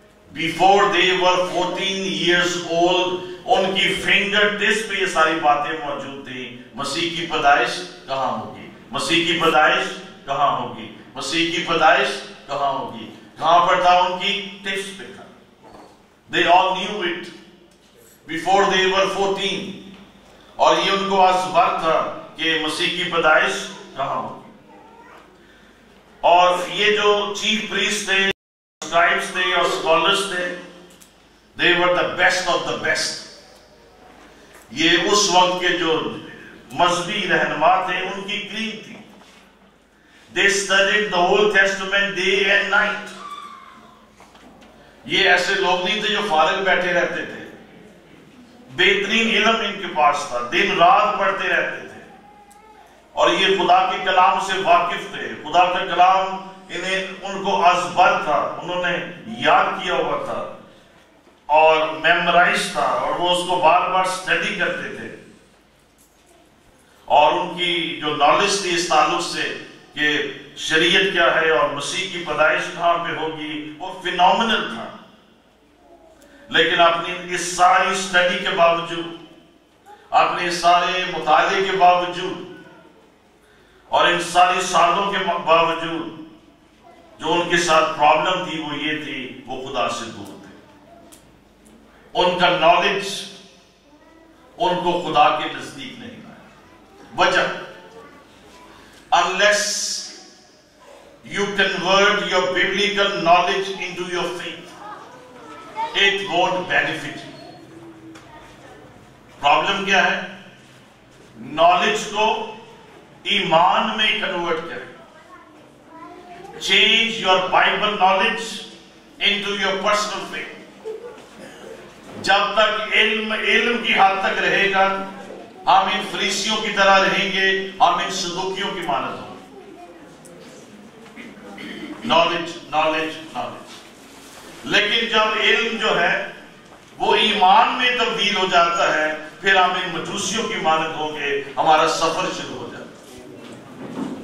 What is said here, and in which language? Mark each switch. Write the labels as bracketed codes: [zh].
[en] Before they were 14 years old, [ur] ان کی finger tips پہ یہ ساری باتیں موجود تھیں. مسیح کی پیدائش کہاں ہوگی، مسیح کی پیدائش کہاں ہوگی، مسیح کی پیدائش کہاں ہوگی، کہاں پر تھا، ان کی ٹپس پہ تھا. [en] They all knew it before they were 14. [ur] اور یہ ان کو آس بار تھا کہ مسیح کی پیدائش کہاں ہوگی. اور یہ جو چیف پریسٹ تھے، سکرائبز تھے اور سکالرز تھے، [en] they were the best [ur] of the best. یہ اس وقت کے جو مذہبی رہنما تھے ان کی کلیت تھی. [en] They studied the whole testament day and night. [ur] یہ ایسے لوگ نہیں تھے جو فارغ بیٹھے رہتے تھے، بہترین علم ان کے پاس تھا، دن رات پڑھتے رہتے تھے. اور یہ خدا کے کلام سے واقف تھے، خدا کا کلام انہیں، ان کو ازبر تھا، انہوں نے یاد کیا ہوا تھا اور میمرائز تھا، اور وہ اس کو بار بار سٹڈی کرتے تھے. اور ان کی جو نالج تھی اس تعلق سے کہ شریعت کیا ہے اور مسیح کی پیدائش کہاں پہ ہوگی، وہ فینومنل تھا. لیکن اپنی اس ساری سٹڈی کے باوجود، اپنے سارے مطالعے کے باوجود، اور ان ساری سالوں کے باوجود جو ان کے ساتھ پرابلم تھی، وہ یہ تھی وہ خدا سے دور تھے. ان کا نالج ان کو خدا کے نزدیک نہیں آیا. [en] وجہ، unless you convert your biblical knowledge into your faith, it won't benefit you. [ur] Problem کیا ہے؟ Knowledge کو ایمان میں convert کریں. [en] Change your Bible knowledge into your personal faith. [ur] جب تک علم کی حد تک رہے گا، ہم ان فریسیوں کی طرح رہیں گے، ہم ان صدوقیوں کی مانت ہوں. نالج نالج نالج، لیکن جب علم جو ہے وہ ایمان میں تبدیل ہو جاتا ہے، پھر ہم ان مجوسیوں کی مانت ہوں گے، ہمارا سفر شروع ہو جاتا ہے.